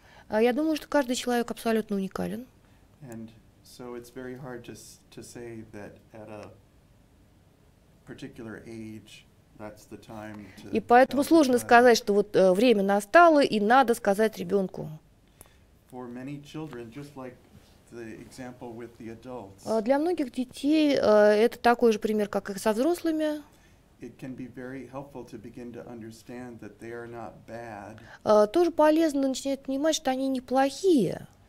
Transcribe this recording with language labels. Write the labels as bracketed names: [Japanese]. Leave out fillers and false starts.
[Russian] Я думаю, что каждый человек абсолютно уникален. [English] So it's very hard to say that at a particular age that's the time to. [Russian] И поэтому сложно сказать, что вот время настало и надо сказать ребенку. [English] For many children, just like the example with the adults. [Russian] Для многих детей это такой же пример, как и со взрослыми. [English] It can be very helpful to begin to understand that they are not bad. [Russian] Тоже полезно начинать понимать, что они неплохие.